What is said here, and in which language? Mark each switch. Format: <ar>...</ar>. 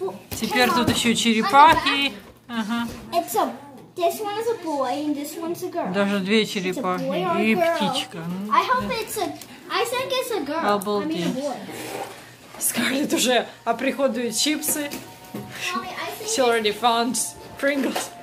<ru>Теперь тут еще черепахи.</ru> <en>It's a, this one is a boy and this one's a girl.</en> <ru>Даже две черепахи и птичка.</ru> <en>I hope it's a, I think it's a girl.</en> <ru>Обалдеть.</ru> <en>I mean a boy.</en> <ru>Скарлетт уже оприходует чипсы.</ru> <en>She already found Pringles.</en>